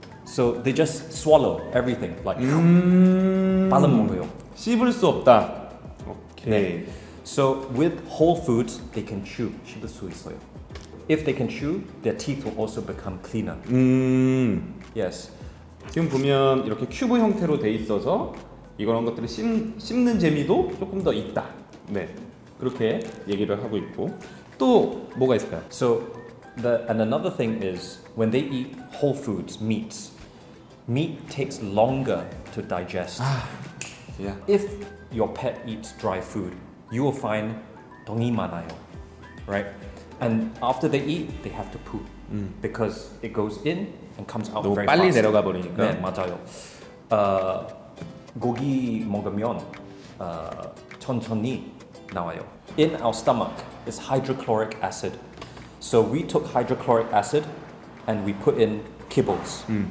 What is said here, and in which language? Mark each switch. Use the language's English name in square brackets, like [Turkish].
[English] So they just swallow everything, like [Korean] 빨음 먹어요. 씹을 수 없다. [English] Okay. [Korean] 네. [English] So with whole foods, they can chew. [Korean] 씹을 수 있어요. [English] If they can chew, their teeth will also become cleaner. Yes. [Korean] 지금 보면 이렇게 큐브 형태로 돼 있어서 이런 것들을 씹는 재미도 조금 더 있다. 네. 그렇게 얘기를 하고 있고 또 뭐가 있을까요? [English] So the and another thing is when they eat whole foods, meats. Meat takes longer to digest. Yeah. If your pet eats dry food, you will find [Korean] 똥이 많아요, [English] right? And after they eat, they have to poop because it goes in and comes out very fast. [Korean] 빨리 내려가 버리니까. 네, 맞아요. 고기 먹으면 천천히 나와요. [English] In our stomach is hydrochloric acid. So we took hydrochloric acid and we put in kibbles.